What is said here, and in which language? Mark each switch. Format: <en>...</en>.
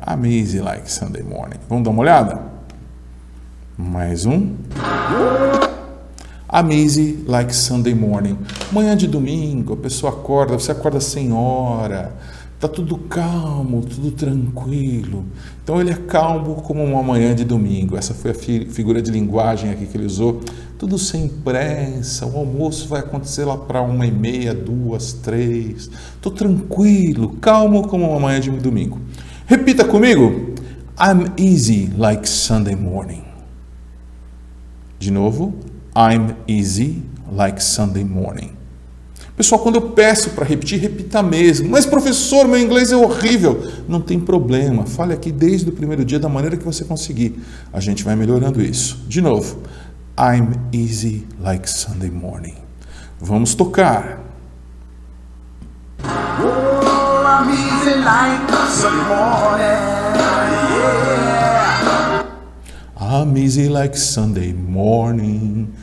<en>Amazing like Sunday morning.</en> <pt>Vamos dar uma olhada? Mais um.</pt> <en>Amazing like Sunday morning.</en> <pt>Manhã de domingo, a pessoa acorda, você acorda sem hora. Tá tudo calmo, tudo tranquilo. Então ele é calmo como uma manhã de domingo. Essa foi a figura de linguagem aqui que ele usou. Tudo sem pressa, o almoço vai acontecer lá para 1:30, 2, 3. Tô tranquilo, calmo como uma manhã de domingo. Repita comigo.</pt> <en>I'm easy like Sunday morning.</en> <pt>De novo.</pt> <en>I'm easy like Sunday morning.</en> <pt>Pessoal, quando eu peço para repetir, repita mesmo. Mas, professor, meu inglês é horrível. Não tem problema. Fale aqui desde o primeiro dia da maneira que você conseguir. A gente vai melhorando isso. De novo.</pt> <en>I'm easy like Sunday morning.</en> <pt>Vamos tocar.</pt> <en>Oh, I'm easy like Sunday morning. Yeah. I'm easy like Sunday morning.</en>